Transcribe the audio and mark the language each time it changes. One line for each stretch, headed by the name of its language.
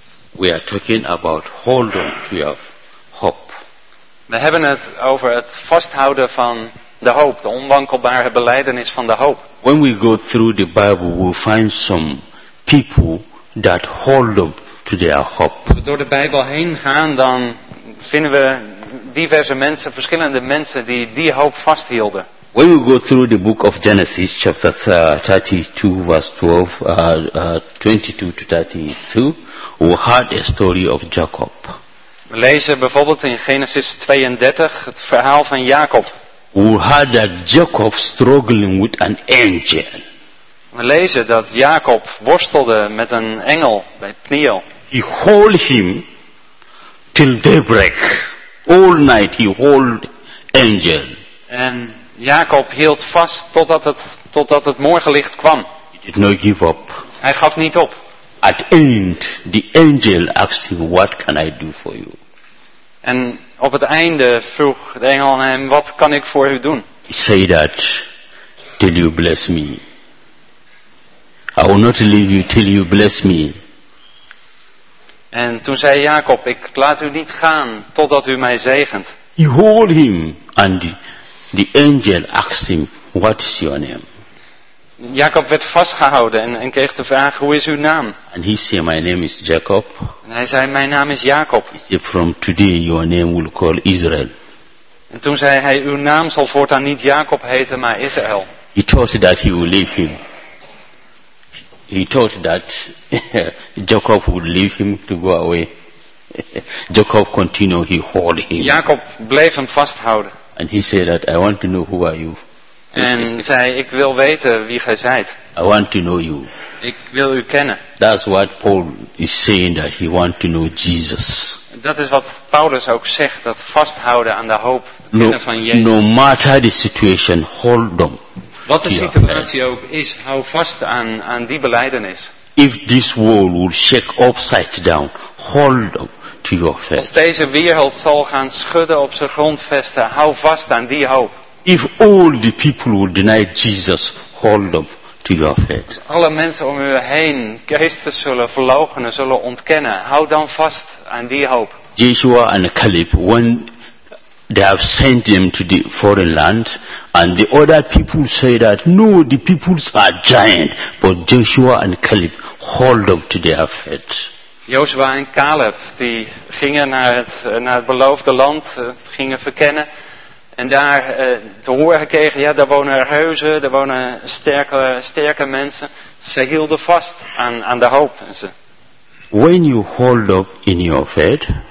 English: We are talking about holding to your hope.
Dutch: We hebben het over het vasthouden van de hoop, de onwankelbare belijdenis van de hoop.
English: When we go through the Bible, we find some people that hold up to their hope.
Dutch: Als we door de Bijbel heen gaan, dan vinden we diverse mensen, verschillende mensen die die hoop vasthielden.
English: When we go through the book of Genesis, chapter 32, verse 12, 22 to 32, we had a story of Jacob.
Dutch: We lezen bijvoorbeeld in Genesis 32 het verhaal van Jacob.
English: We had that Jacob struggling with an angel.
Dutch: We lezen dat Jacob worstelde met een engel bij Peniel.
English: He hold him till daybreak. All night he hold angel.
Dutch: En Jacob hield vast totdat het morgenlicht kwam.
English: He did not give up.
Dutch: Hij gaf niet op.
English: At end, the angel asked him, "What can I do for you?"
Dutch: En op het einde vroeg de engel aan hem, "Wat kan ik voor u doen?"
English: He said that, "Till you bless me, I will not leave you till you bless me."
Dutch: En toen zei Jacob, "Ik laat u niet gaan totdat u mij zegent."
English: He hold him, and the angel asked him, "What is your name?"
Dutch: Jacob werd vastgehouden en kreeg de vraag, hoe is uw naam?
English: And he said, "My name is Jacob."
Dutch: En hij zei, mijn naam is Jacob.
English: He said, "From today your name will call Israel."
Dutch: En toen zei hij, uw naam zal voortaan niet Jacob heten, maar Israël.
English: He thought that he would leave him. He thought that Jacob would leave him to go away. Jacob continued, he hold him.
Dutch: Jacob bleef hem vasthouden.
English: And he said that, "I want to know who are you."
Dutch: En zei, ik wil weten wie gij zijt.
English: I want to know you.
Dutch: Ik wil u kennen.
English: That's what Paul is saying, that he want to know Jesus.
Dutch: Dat is wat Paulus ook zegt, dat vasthouden aan de hoop, kennen van Jezus.
English: No matter the situation, hold on.
Dutch: Wat de situatie ook is, hou vast aan die belijdenis.
English: If this world will shake upside down, hold on to your faith.
Dutch: Als deze wereld zal gaan schudden op zijn grondvesten, hou vast aan die hoop.
English: If all the people will deny Jesus, hold up to your faith.
Dutch: Als alle mensen om u heen Christus zullen verloochenen, zullen ontkennen, houd dan vast aan die hoop.
English: Joshua and Caleb, when they have sent them to the foreign land, and the other people say that, no, the peoples are giant, but Joshua and Caleb hold up to their faith.
Dutch: Joshua en Caleb, die gingen naar het beloofde land, gingen verkennen. En daar te horen gekregen, ja, daar wonen reuzen, daar wonen sterke mensen. Ze hielden vast aan de hoop.
English: When you hold up in your faith,